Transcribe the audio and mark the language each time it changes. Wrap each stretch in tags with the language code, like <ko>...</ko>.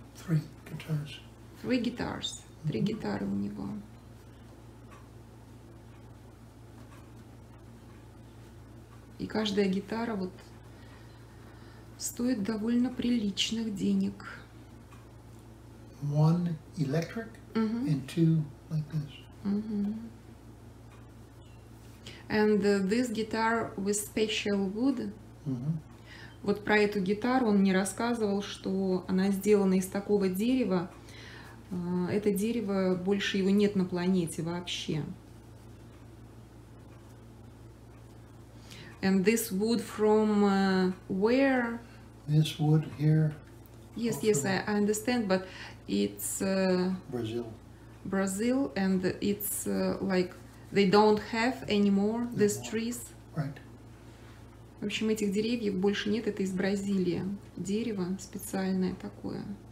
<en>Three guitars.</en> <ru>Три гитары у него. И каждая гитара вот стоит довольно приличных денег.</ru> <en>One electric and two like this. And this guitar with special wood.</en> <ru>Вот про эту гитару он мне рассказывал, что она сделана из такого дерева. Это дерево, больше его нет на планете вообще.</ru> <en>And this wood from where? This wood here. Yes, yes, I understand, but it's Brazil. Brazil, and it's like they don't have anymore these trees. Right.</en> <ru>В общем, этих деревьев больше нет. Это из Бразилии дерево специальное такое.</ru>